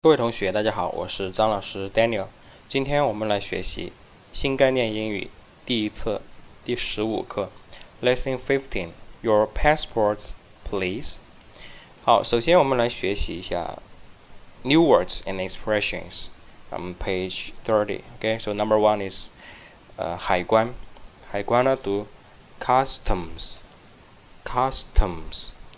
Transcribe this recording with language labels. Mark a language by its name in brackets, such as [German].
[Chinese] 各位同学，大家好，我是张老师 Daniel。今天我们来学习新概念英语第一册第十五课 [English] Lesson 15 Your Passports, Please。 [Chinese] 好，首先我们来学习一下 [English] New Words and Expressions on page 30. Okay, so number one is 海关。 [Chinese] 海关呢读 Customs, Customs。